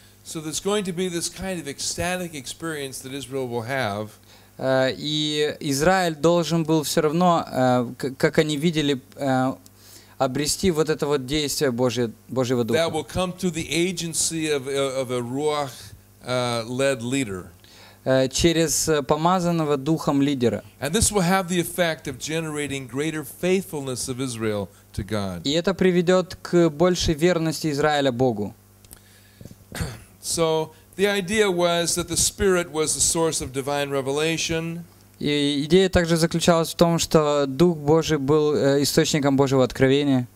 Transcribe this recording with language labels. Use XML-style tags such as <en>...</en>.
<en>So there's going to be this kind of ecstatic experience that Israel will have.</en> <ru>И Израиль должен был все равно, как они видели, обрести вот это вот действие Божьего Духа.</ru> <en>That will come through the agency of a Ruach-led leader.</en> <ru>Через помазанного Духом лидера.</ru> <en>And this will have the effect of generating greater faithfulness of Israel to God.</en> <ru>И это приведет к большей верности Израиля Богу.</ru> <en>So, the idea was that the Spirit was the source of divine revelation.</en> <ru>И идея также заключалась в том, что Дух Божий был источником Божьего откровения.</ru>